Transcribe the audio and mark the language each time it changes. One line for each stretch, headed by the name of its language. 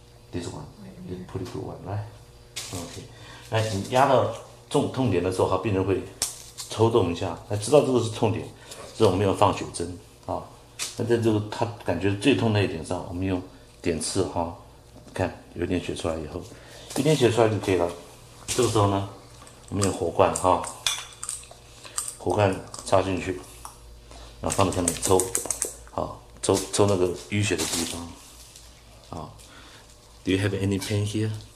English: This one, it's pretty good one, right?
Chinese: OK，那你压到痛点的时候，病人会抽动一下，那知道这个是痛点，这种没有放血针。啊，那在这个他感觉最痛那一点上，我们用点刺哈，看有点血出来以后，一点血出来就可以了。这个时候呢，我们用火罐哈，火罐插进去，然后放在下面抽，啊，抽那个淤血的地方。
English: 啊，Do you have any pain here?